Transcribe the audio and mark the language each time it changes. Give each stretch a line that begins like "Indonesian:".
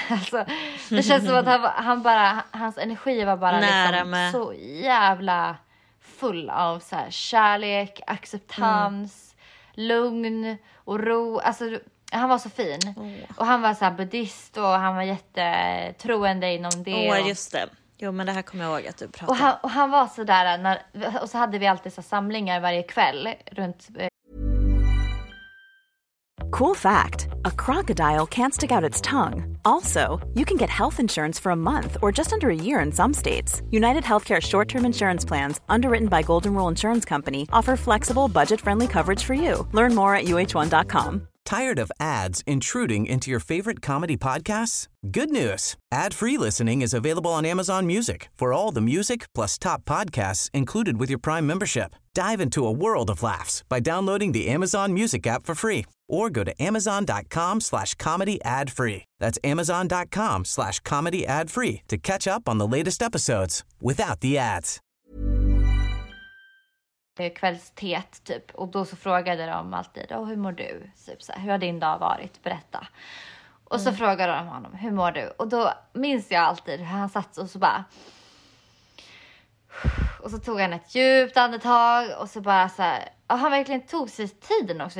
Swedish: Alltså, det känns som att han bara, hans energi var bara liksom så jävla full av så här kärlek, acceptans, lugn och ro. Alltså, han var så fin. Och han var så här buddhist och han var jättetroende inom det. Åh, just det. Jo, men det här kommer jag ihåg att du pratade. Och han var så där när, och så hade vi alltid så samlingar varje kväll runt.
English: Cool fact, a crocodile can't stick out its tongue. Also, you can get health insurance for a month or just under a year in some states. United Healthcare short-term insurance plans, underwritten by Golden Rule Insurance Company, offer flexible, budget-friendly coverage for you. Learn more at uh1.com. Tired of ads intruding into your favorite comedy podcasts? Good news! Ad-free listening is available on Amazon Music for all the music plus top podcasts included with your Prime membership. Dive into a world of laughs by downloading the Amazon Music app for free or go to amazon.com/comedyadfree. That's amazon.com/comedyadfree to catch up on the latest episodes without the ads.
Swedish: Kvällstet typ, och då så frågade de alltid, oh, hur mår du? Typ så här, hur har din dag varit? Berätta. Och så frågade de honom, hur mår du? Och då minns jag alltid hur han satt och så bara, och så tog han ett djupt andetag och så bara så här, och han verkligen tog sig tiden också.